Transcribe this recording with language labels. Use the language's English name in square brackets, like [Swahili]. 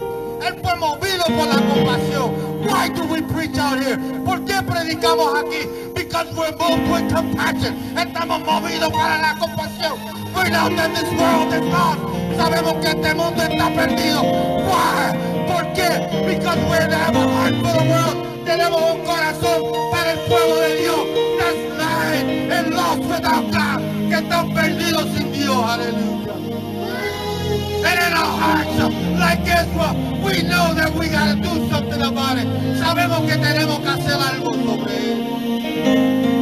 [Spanish] Él fue movido por la compasión. [English] Why do we preach out here? [Spanish] ¿Por qué predicamos aquí? [English] Because we're moved with compassion. [Spanish] Estamos movidos para la compasión. [English] We know that this world is lost. [Spanish] Sabemos que este mundo está perdido. [English] Why? [Spanish] ¿Por qué? [English] Because we have a heart for the world. [Spanish] Tenemos un corazón para el pueblo de Dios. [English] That's lying and lost without God. [Spanish] Que están perdidos sin Dios. Aleluya. [English] And in our hearts, like Israel, we know that we gotta do something about it. [Spanish] Sabemos que tenemos que hacer algo sobre él.